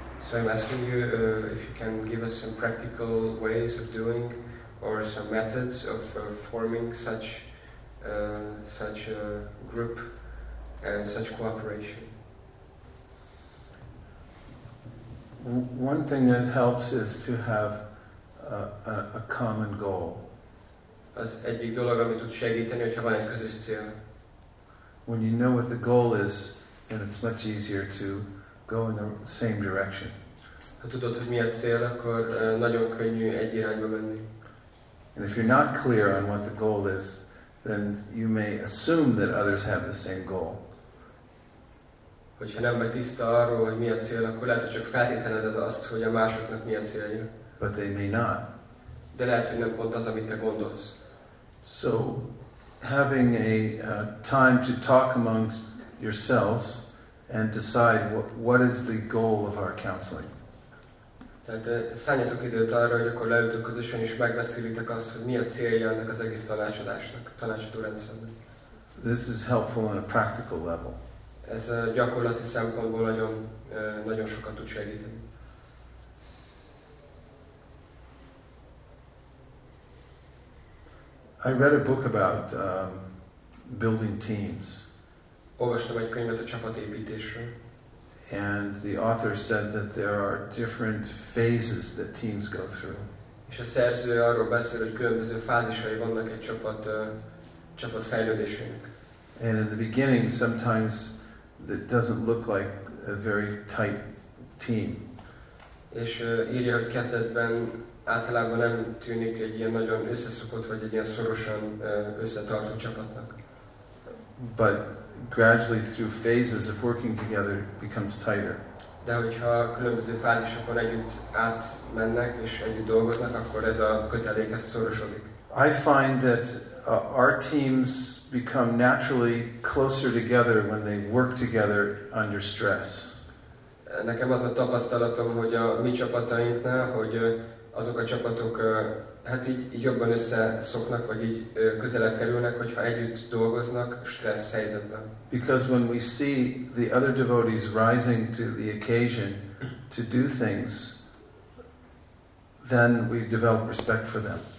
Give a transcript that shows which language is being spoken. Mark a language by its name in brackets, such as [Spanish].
[English] So I'm asking you if you can give us some practical ways of doing or some methods of forming such such a group and such cooperation. One thing that helps is to have a common goal. [Hungarian] Az egyik dolog, ami tud segíteni, hogyha van egy közös cél. [English] When you know what the goal is, then it's much easier to go in the same direction. [Hungarian] Ha tudod, hogy mi a cél, akkor nagyon könnyű egy irányba menni. [English] And if you're not clear on what the goal is, then you may assume that others have the same goal. [Hungarian] Hogyha nem vagy tiszta arról, hogy mi a cél, akkor lehet, hogy csak feltételezed azt, hogy a másoknak mi a célja. [English] But they may not. [Hungarian] De lehet, hogy nem pont az, amit te gondolsz. [English] So, having a time to talk amongst yourselves and decide what is the goal of our counseling. [Hungarian] Tehát szálljatok időt arra, hogy akkor leültök közösen és megbeszélitek azt, hogy mi a célja ennek az egész tanácsadásnak, tanácsadó rendszernek. [English] This is helpful on a practical level. [Hungarian] Ez a gyakorlati szempontból nagyon, nagyon sokat tud segíteni. [English] I read a book about building teams. [Hungarian] Olvastam egy könyvet a csapatépítésről. [English] And the author said that there are different phases that teams go through. [Hungarian] És a szerző arról beszél, hogy különböző fázisai vannak egy csapat csapat fejlődésének. [English] And in the beginning, sometimes it doesn't look like a very tight team. [Hungarian] És írja, hogy kezdetben általában nem tűnik egy ilyen nagyon összeszokott vagy egy ilyen szorosan összetartó csapatnak. [English] But gradually through phases of working together becomes tighter. [Hungarian] De hogyha különböző fázisokon együtt átmennek és együtt dolgoznak, akkor ez a kötelék ez szorosodik. [English] I find that our teams become naturally closer together when they work together under stress. [Hungarian] Nekem az a tapasztalatom, hogy a mi csapatainknál, hogy azok a csapatok hát így jobban összeszoknak, vagy így közelebb kerülnek, hogyha együtt dolgoznak stressz helyzetben. [English] Because when we see the other devotees rising to the occasion to do things, then we develop respect for them.